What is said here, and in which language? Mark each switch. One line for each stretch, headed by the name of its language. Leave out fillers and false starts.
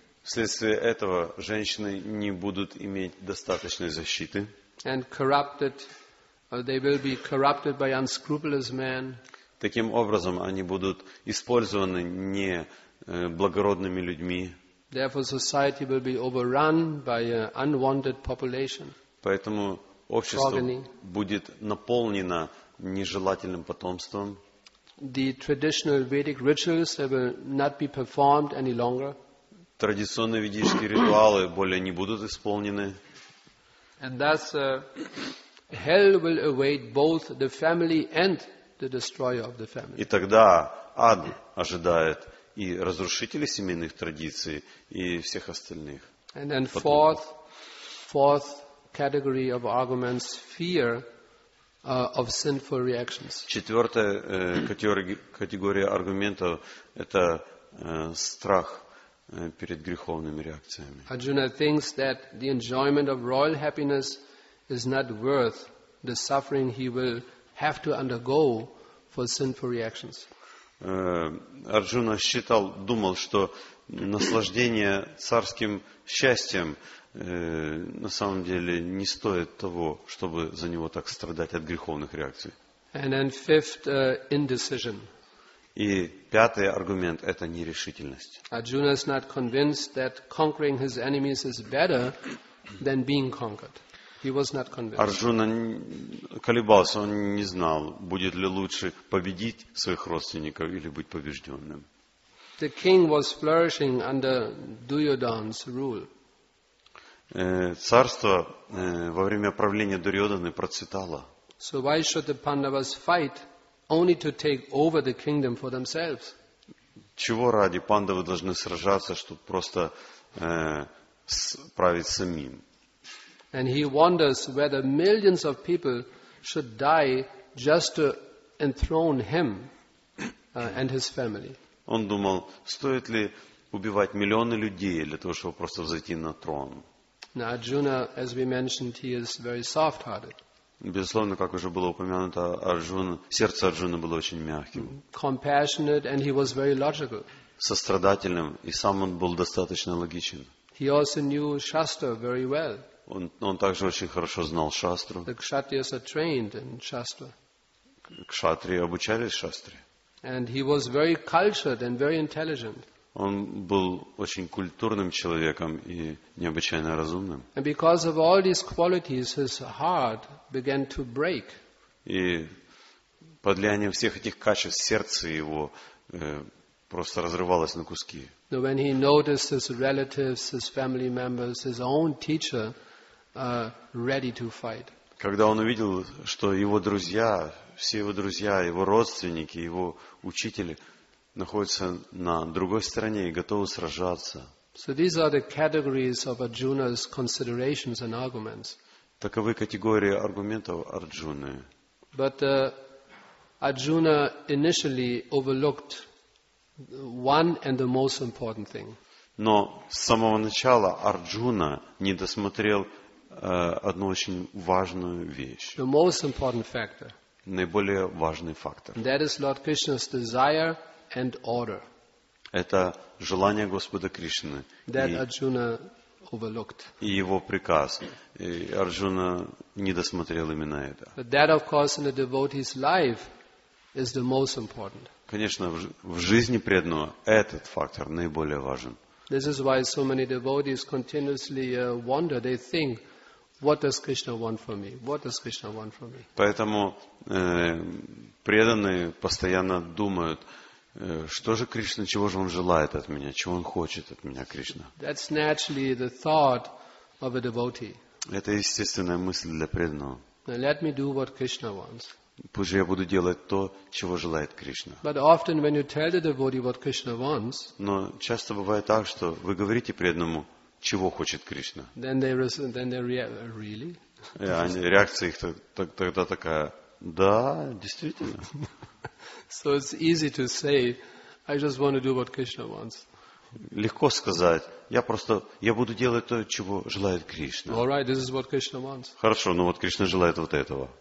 Russian: Вследствие этого женщины не будут иметь достаточной защиты.
English: And corrupted, or they will be corrupted by unscrupulous men.
Russian: Таким образом, они будут использованы не благородными людьми.
English: Therefore, society will be overrun by an unwanted population.
Russian: Поэтому общество будет наполнено нежелательным потомством.
English: The traditional Vedic rituals will not be performed any longer.
Russian: Традиционные ведические ритуалы более не будут исполнены.
English: And thus, hell will await both the family and the destroyer of the family.
Russian: И тогда ад ожидает и разрушителей семейных традиций и всех остальных.
English: And then fourth category of arguments: fear of sinful reactions.
Russian: Четвертая категория аргументов – это страх перед греховными реакциями.
English: Arjuna thinks that the enjoyment of royal happiness is not worth the suffering he will have to undergo for sinful reactions.
Russian: Арджуна считал, думал, что наслаждение царским счастьем на самом деле не стоит того, чтобы за него так страдать от греховных реакций.
English: And then fifth, indecision.
Russian: И пятый аргумент – это нерешительность.
English: Arjuna is not convinced that conquering his enemies is better than being conquered. He was not convinced.
Russian: Арджуна колебался, он не знал, будет ли лучше победить своих родственников или быть побежденным.
English: The king was flourishing under Duryodhana's rule.
Russian: Царство во время правления Дурьодханы процветало.
English: So why should the Pandavas fight only to take over the kingdom for themselves?
Russian: Чего ради пандавы должны сражаться, чтобы просто править самим?
English: And he wonders whether millions of people should die just to enthrone him and his family.
Russian: Он думал, стоит ли убивать миллионы людей для того, чтобы просто взойти на трон?
English: Now, Arjuna, as we mentioned, he is very soft-hearted.
Russian: Безусловно, как уже было упомянуто, сердце Арджуны было очень мягким.
English: Compassionate, and he was very logical.
Russian: Сострадательным, и сам он был достаточно логичен.
English: He also knew Shastra very well.
Russian: Он также очень хорошо знал Шастру.
English: The Kshatriyas are trained in Shastra.
Russian: Кшатрии обучались Шастре.
English: And he was very cultured and very intelligent.
Russian: Он был очень культурным человеком и необычайно разумным.
English: And because of all these qualities, his heart began to break.
Russian: И под влиянием всех этих качеств сердце его просто разрывалось на куски.
English: Now when he noticed his relatives, his family members, his own teacher ready to fight.
Russian: Когда он увидел, что его друзья, все его друзья, его родственники, его учители находятся на другой стороне и готовы сражаться.
English: So these are the categories of Arjuna's considerations and arguments.
Russian: Таковы категории аргументов Арджуны.
English: But Arjuna initially overlooked one and the most important thing.
Russian: Но с самого начала Арджуна не досмотрел одну очень важную вещь.
English: The most important factor.
Russian: Наиболее важный фактор.
English: That is Lord Krishna's desire and order.
Russian: Это желание Господа Кришны.
English: That Arjuna overlooked.
Russian: И его приказ. И Арджуна не досмотрел именно это.
English: But that, of course, in a devotee's life is the most important.
Russian: Конечно, в жизни преданного этот фактор наиболее важен.
English: This is why so many devotees continuously wonder, they think, what does Krishna want from me? What does Krishna want from me?
Russian: Поэтому преданные постоянно думают, что же Кришна, чего же он желает от меня, чего он хочет от меня, Кришна?
English: That's naturally the thought of a devotee.
Russian: Это естественная мысль для преданного.
English: Now let me do what Krishna wants.
Russian: Пусть же я буду делать то, чего желает Кришна.
English: But often when you tell the devotee what Krishna wants,
Russian: но часто бывает так, что вы говорите преданному, чего хочет Кришна.
English: Then they really?
Russian: Реакция их тогда такая: да, действительно.
English: So it's easy to say, I just want to do what Krishna wants.
Russian: Легко сказать, я буду делать то, чего желает Кришна.
English: All right, this is what Krishna wants.
Russian: Хорошо, но вот Кришна желает вот этого.